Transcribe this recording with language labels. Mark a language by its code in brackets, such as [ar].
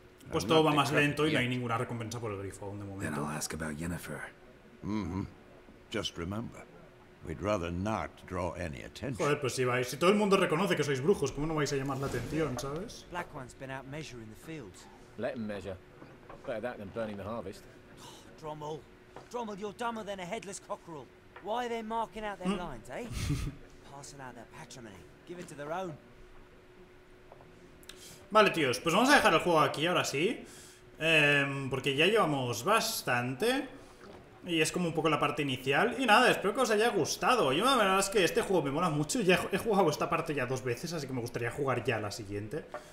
[es] Pues todo va más lento y no hay ninguna recompensa por el grifo aún de momento. [en] Then I'll ask about Yennefer. Mm-hmm. Just remember, we'd rather not draw any attention. [es] Joder, pues si vais, si todo el mundo reconoce que sois brujos, ¿cómo no vais a llamar la atención, sabes? [en] Black One's been out measuring the fields. Let him measure. Better that than burning the harvest. Oh, Drommel. Drommel, you're dumber than a headless cockerel. Why are they marking out their lines, eh? Passing out their patrimony. Give it to their own. [es] Vale, tíos, pues vamos a dejar el juego aquí, ahora sí. Porque ya llevamos bastante. Y es como un poco la parte inicial. Y nada, espero que os haya gustado. Yo la verdad es que este juego me mola mucho. Ya he jugado esta parte ya dos veces, así que me gustaría jugar ya la siguiente.